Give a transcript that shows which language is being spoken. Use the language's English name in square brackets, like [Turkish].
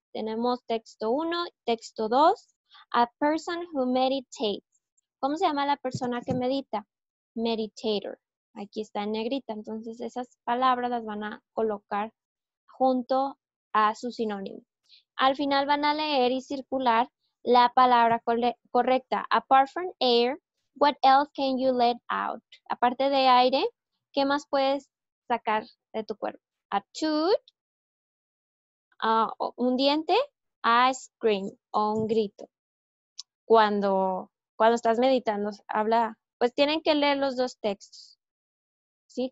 [Spanish] Tenemos texto 1, texto 2, [English] a person who meditates. [Spanish] ¿Cómo se llama la persona que medita? Meditator. Aquí está en negrita. Entonces esas palabras las van a colocar junto a su sinónimo. Al final van a leer y circular la palabra correcta. [English] Apart from air, what else can you let out? [Spanish] Aparte de aire, ¿qué más puedes sacar de tu cuerpo? [English] A toot. [Spanish] Un diente, ice cream o un grito. Cuando estás meditando, habla, pues tienen que leer los dos textos. ¿Sí?